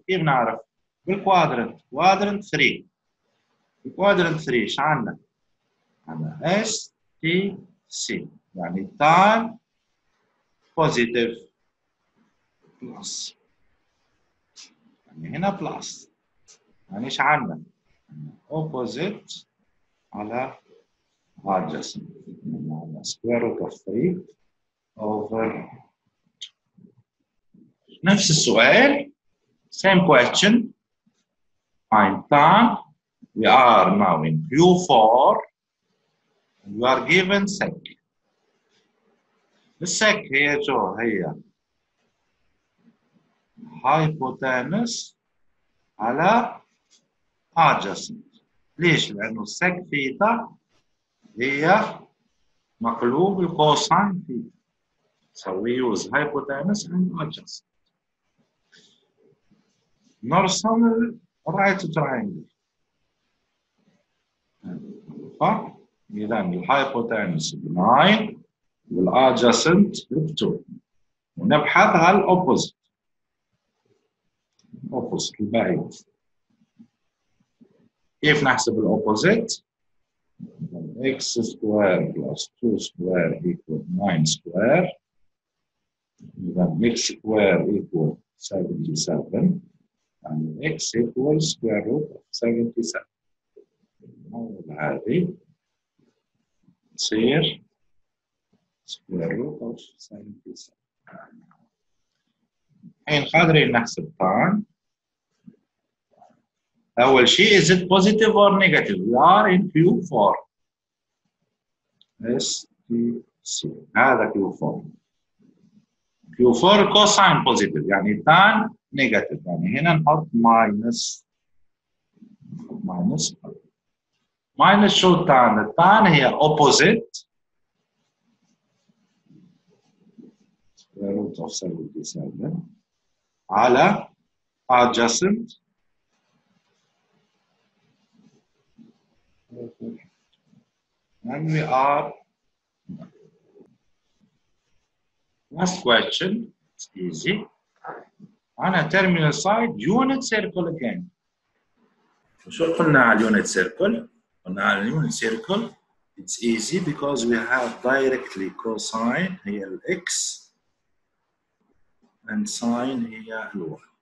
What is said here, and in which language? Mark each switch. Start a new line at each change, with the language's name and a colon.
Arabic: كيف نعرف؟ بالكوادرنت، كوادرنت 3. الكوادرنت 3 ايش عندنا؟ عندنا اس تي سي، يعني التان بوزيتيف بلس. يعني هنا بلس. يعني ايش عندنا؟ اوبوزيت على adjacent
English: square root of 3 over 2.
Arabic: نفس السؤال
English: same question. Find tan. We are now in U4. You are given sec.
Arabic: The sec هي شو؟ هي hypotenuse على adjacent. ليش؟ لانه sec ثيتا هي مقلوب الكوساين ثيتا.
English: So we use hypotenuse and adjacent.
Arabic: نرسم ال right triangle. اذا ال hypotenuse ب 9 وال adjacent ب 2 ونبحث على opposite. Opposite البعيد. كيف نحسب الأوبوزيت؟
English: x square plus 2 square equal 9 square.
Arabic: إذا
English: x square equal 77. And x equal square root of 77.
Arabic: نقول هذه تصير
English: square root of 77.
Arabic: الحين قادرين نحسب تان. أول شيء
English: is it positive or negative? We are in Q4. S T
Arabic: سين، هذا كيو 4. كيو 4 كوساين بوزيتيف يعني تان نيجاتيف، يعني هنا نحط ماينس ماينس ماينس شو تان؟ تان هي اوبوزيت
English: Root of 77 على adjacent and we are last question. It's easy. On a terminal side, unit circle again.
Arabic: شو قلنا على
English: unit circle؟ قلنا على unit circle. It's easy because we have directly cosine here x and sine here y.